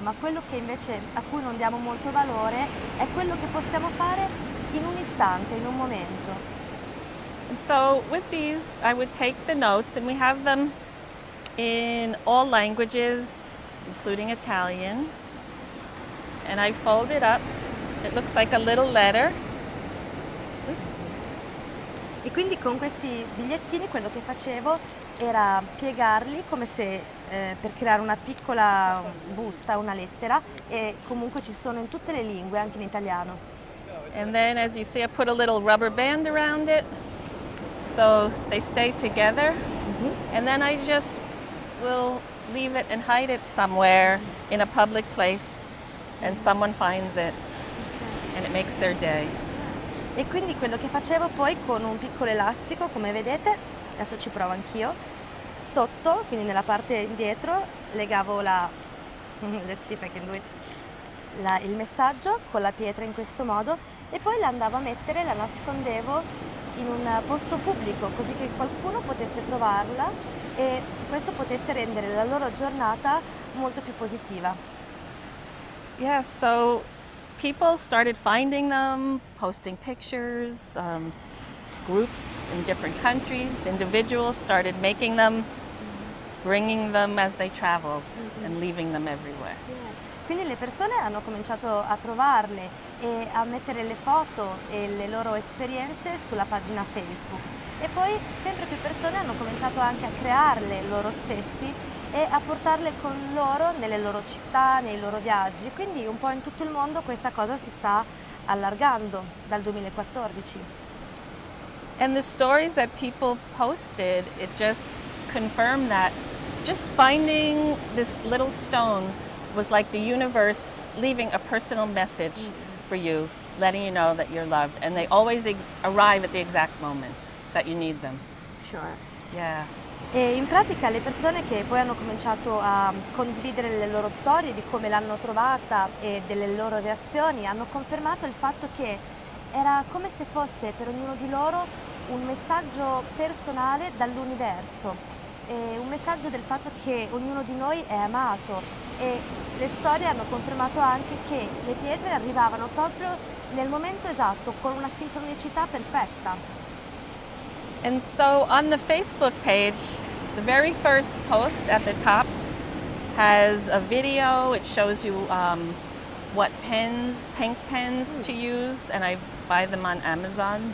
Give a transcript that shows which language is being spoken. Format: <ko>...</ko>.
<it>Ma quello che invece a cui non diamo molto valore è quello che possiamo fare in un istante, in un momento.</it> <en>And so with these I would take the notes and we have them in all languages, including Italian, and I fold it up. It looks like a little letter. Oops.</en> <it>E quindi con questi bigliettini quello che facevo era piegarli come se per creare una piccola busta, una lettera, e comunque ci sono in tutte le lingue, anche in italiano.</it> <en>And then as you see I put a little rubber band around it so they stay together. And then I just will leave it and hide it somewhere in a public place and someone finds it and it makes their day.</en> <it>E quindi quello che facevo poi con un piccolo elastico, come vedete, adesso ci provo anch'io, sotto, quindi nella parte indietro, legavo la,</it> <en>let's see if I can do it,</en> <it>il messaggio con la pietra in questo modo e poi la andavo a mettere, la nascondevo in un posto pubblico così che qualcuno potesse trovarla e questo potesse rendere la loro giornata molto più positiva.</it> <en>Yeah, so people started finding them, posting pictures, groups in different countries, individuals started making them, bringing them as they traveled and leaving them everywhere.</en> <it>Quindi le persone hanno cominciato a trovarle e a mettere le foto e le loro esperienze sulla pagina Facebook. E poi sempre più persone hanno cominciato anche a crearle loro stessi e a portarle con loro nelle loro città, nei loro viaggi. Quindi un po' in tutto il mondo questa cosa si sta allargando dal 2014.</it> <en>And the stories that people posted, it just confirmed that just finding this little stone was like the universe leaving a personal message for you, letting you know that you're loved. And they always arrive at the exact moment that you need them. Sure. Yeah.</en> <it>E in pratica le persone che poi hanno cominciato a condividere le loro storie di come l'hanno trovata e delle loro reazioni hanno confermato il fatto che era come se fosse per ognuno di loro un messaggio personale dall'universo, e un messaggio del fatto che ognuno di noi è amato. E le storie hanno confermato anche che le pietre arrivavano proprio nel momento esatto, con una sincronicità perfetta.</it> <en>And so on the Facebook page, the very first post at the top has a video. It shows you what pens, paint pens to use, and I buy them on Amazon.</en>